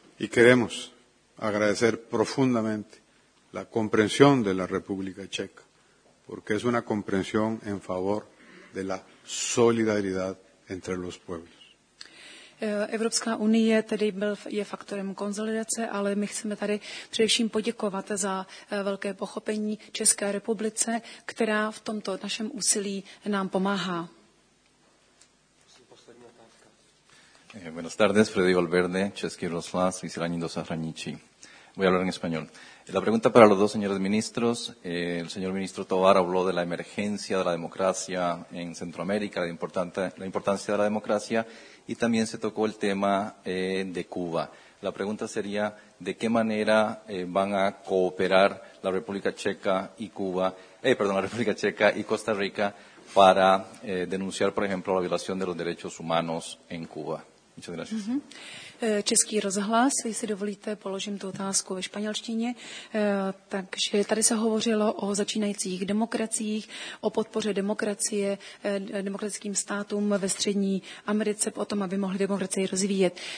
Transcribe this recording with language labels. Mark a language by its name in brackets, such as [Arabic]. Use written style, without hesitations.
[Spanish] I queremos agradecer profundamente la comprensión de la República Checa, porque es una comprensión en favor de la solidaridad entre los pueblos. [Czech] Evropská unie tedy je faktorem konsolidace, ale my chceme tady především poděkovat za velké pochopení České republice, která v tomto našem úsilí nám pomáhá. [Spanish] Buenas tardes, [Czech] Freddy Valverde, Český rozhlas, vysílání do zahraničí. [Spanish] Voy a hablar en español. La pregunta para los dos señores ministros. El señor ministro Tovar habló de la emergencia de la democracia en Centroamérica, la importancia de la democracia, y también se tocó el tema de Cuba. La pregunta sería, ¿de qué manera van a cooperar la República Checa y Cuba, la República Checa y Costa Rica para denunciar, por ejemplo, la violación de los derechos humanos en Cuba? Muchas gracias. Uh-huh. [Czech] Český rozhlas, jestli dovolíte, položím tu otázku ve španělštině. Takže tady se hovořilo o začínajících demokraciích, o podpoře demokracie, demokratickým státům ve Střední Americe, o tom, aby mohly demokracie rozvíjet.